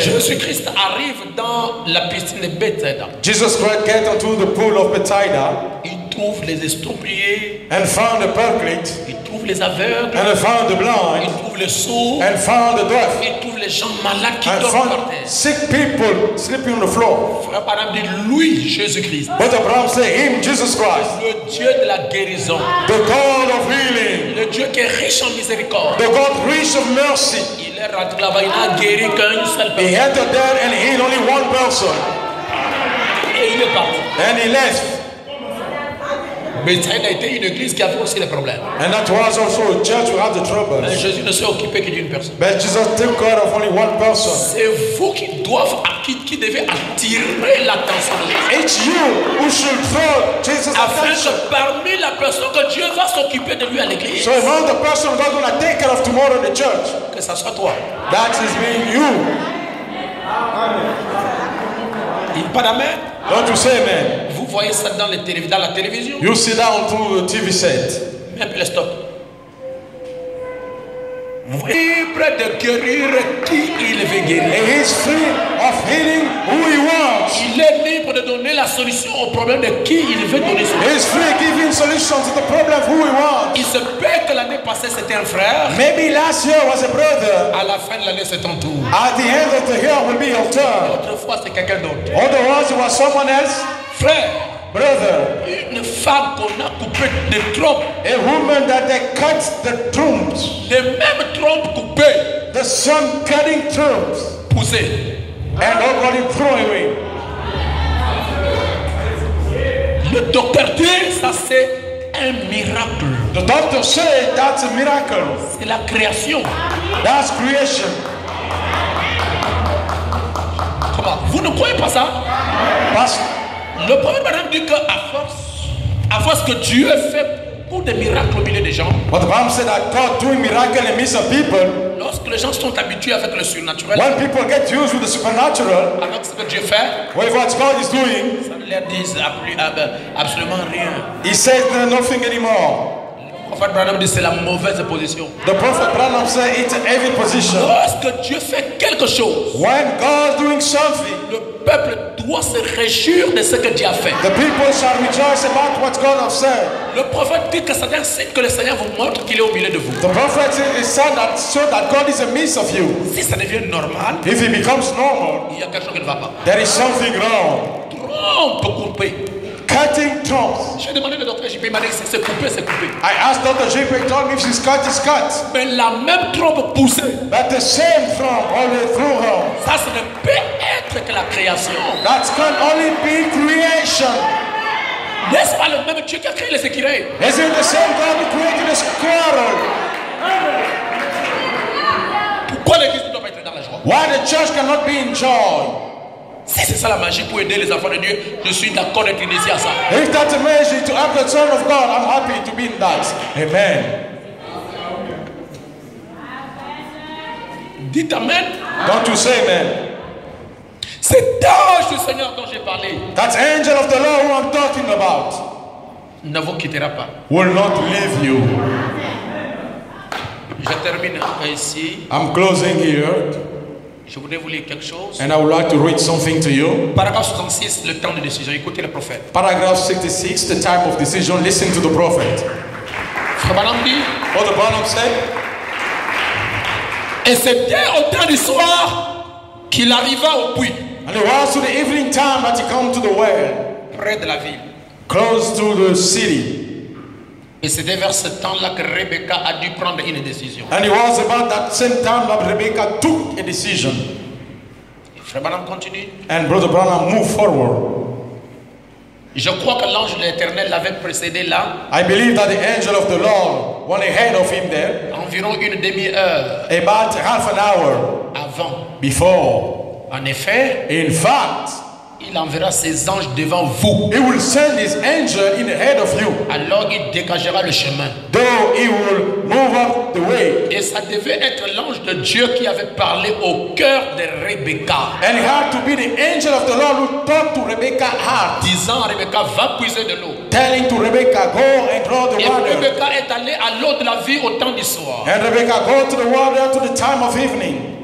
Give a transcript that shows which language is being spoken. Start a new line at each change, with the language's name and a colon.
French: Jésus-Christ arrive dans la piscine de Bethsaida.
English: Jesus Christ get into the pool of Bethsaida.
French: Il trouve les estropiés.
English: And found the paralytic.
French: Il trouve les aveugles.
English: And found the blind.
French: Il trouve les sourds.
English: And found the deaf.
French: Il trouve les gens malades qui dorment par terre.
English: Sick people sleeping on the floor.
French: Frère Branham dit lui Jésus-Christ.
English: But Abraham said him Jesus Christ.
French: Le Dieu de la guérison.
English: The God of healing.
French: Le Dieu qui est riche en miséricorde.
English: The God rich of mercy.
French: Il est rentré là-bas, il a guéri qu'une seule personne.
English: He entered there and healed only one person.
French: Et il est parti.
English: And he left.
French: Mais ça a été une église qui avait aussi des problèmes.
English: And that was also a church who had the troubles.
French: Mais Jésus ne s'est occupé que d'une personne.
English: But Jesus took care of only one person.
French: C'est vous qui devez attirer l'attention de Jésus.
English: It's you who should draw Jesus' attention.
French: Afin que parmi la personne que Dieu va s'occuper de lui à l'église.
English: So among the person God will take care of tomorrow in the church.
French: Que ça soit toi.
English: That is being you.
French: Il pas d'amen.
English: Don't you say amen?
French: Vous voyez ça dans les dans la télévision.
English: You see that on through the TV set.
French: Mais puis stop. libre de guérir qui il veut guérir.
English: He is free of healing who he wants.
French: Il est libre de donner la solution au problème de qui il veut donner solution.
English: He is free giving solutions to the problem of who he wants.
French: Il se peut que l'année passée c'était un frère.
English: Maybe last year was a brother.
French: À la fin de l'année c'est ton tour.
English: At the end of the year will be your turn.
French: Autrefois c'est quelqu'un d'autre.
English: Otherwise it was someone else.
French: Frère.
English: Brother,
French: une femme qu'on a coupée de trompes,
English: a woman that they cut the trompes,
French: les mêmes trompes coupées,
English: the same cutting trompes,
French: poussées,
English: and already thrown away.
French: Le docteur dit ça c'est un miracle.
English: The doctor said that's a miracle.
French: C'est la création.
English: That's creation.
French: Comment? Vous ne croyez pas ça? Parce le premier madame dit que à force que Dieu fait pour des miracles au milieu des gens.
English: But the Bible said that God doing miracles in the midst of people.
French: Lorsque les gens sont habitués avec le surnaturel.
English: When people get used with the supernatural.
French: Avec ce que Dieu fait.
English: With what God is doing.
French: Ça ne leur dit absolument rien.
English: He says nothing anymore.
French: Le prophète Branham dit que c'est la mauvaise position.
English: The prophet Branham said it's a heavy position.
French: Lorsque Dieu fait quelque chose.
English: When God doing something.
French: Le peuple doit se réjouir de ce que Dieu a fait.
English: The people shall rejoice about what God has said.
French: Le prophète dit que c'est un signe que le Seigneur vous montre qu'il est au milieu de vous.
English: The prophet is saying that so that God is in midst of you.
French: Si ça devient normal.
English: If it becomes normal.
French: Il y a quelque chose qui ne va pas.
English: There is something wrong.
French: Trompe coupée.
English: Cutting trompes.
French: J'ai demandé au docteur J.P. Marie si c'est coupé, c'est coupé.
English: I asked Dr. J.P. Tom if she's cut, it's cut.
French: Mais la même trompe poussée.
English: But the same trompe only through her.
French: Ça, ça ne peut être que la création.
English: That can only be creation.
French: N'est-ce pas le même Dieu qui a créé les écureuils?
English: Is it the same God who created the squirrel?
French: Pourquoi l'église ne doit pas être dans la joie?
English: Why the church cannot be in joy?
French: Si c'est ça la magie pour aider les enfants de Dieu, je suis d'accord d'être initié à ça.
English: If that's a magic to have the son of God, I'm happy to be in that. Amen.
French: Dites amen.
English: Don't you say amen?
French: Cet ange du Seigneur dont j'ai parlé.
English: That angel of the Lord who I'm talking about.
French: Ne vous quittera pas.
English: Will not leave you.
French: Je termine ici.
English: I'm closing here.
French: Je voudrais vous lire quelque chose.
English: And I would like to read something to you.
French: Paragraphe 66, le temps de décision. Écoutez le prophète.
English: Paragraph 66, the time of decision. Listen to the prophet.
French: Frère dit.
English: What the Branham said.
French: Et c'était au temps du soir qu'il arriva au puits.
English: And it was to the evening time that he came to the well.
French: Près de la ville.
English: Close to the city.
French: Et c'était vers ce temps-là que Rebecca a dû prendre une décision.
English: And it was about that same time that Rebecca took a decision.
French: Et Frère Branham continue.
English: And Brother Branham moved forward.
French: Je crois que l'ange de l'Éternel l'avait précédé là.
English: I believe that the angel of the Lord went ahead of him there.
French: Environ une demi-heure.
English: About half an hour.
French: Avant.
English: Before.
French: En effet.
English: In fact.
French: Il enverra ses anges devant vous.
English: He will send his angel in ahead of you.
French: Alors il dégagera le chemin.
English: Though he will move up the way.
French: Et ça devait être l'ange de Dieu qui avait parlé au cœur de Rebecca.
English: And it had to be the angel of the Lord who talked to Rebecca's heart.
French: Disant à Rebecca, va puiser de l'eau.
English: Telling to Rebecca, go and draw the et water.
French: Et Rebecca est allée à l'eau de la vie au temps du soir.
English: And Rebecca go to the water to the time of evening.